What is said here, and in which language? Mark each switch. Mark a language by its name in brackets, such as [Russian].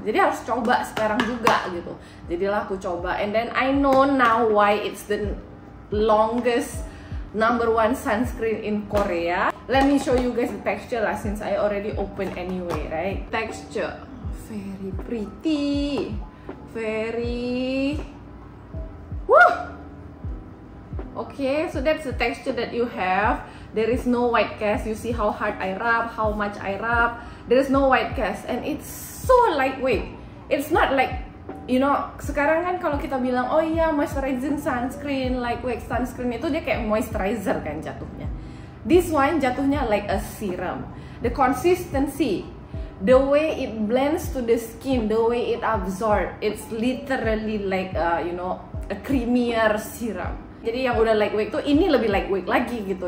[Indonesian] Jadi harus coba sekarang juga gitu. Jadilah aku coba, [English] and then I know now why it's the longest number one sunscreen in Korea. Let me show you guys the texture lah, since I already open anyway, right? Texture very pretty, very woo. Okay, so that's the texture that you have. There is no white cast. You see how hard I rub, how much I rub. There is no white cast, and it's so lightweight. It's not like, you know, [Indonesian] sekarang kan kalau kita bilang, oh iya, moisturizing sunscreen, lightweight sunscreen, itu dia kayak moisturizer kan jatuhnya. [English] This one [Indonesian] jatuhnya [English] like a serum. The consistency, the way it blends to the skin, the way it absorb, it's literally like a, you know, a creamier serum. [Indonesian] Jadi yang udah lightweight tuh, ini lebih lightweight lagi gitu.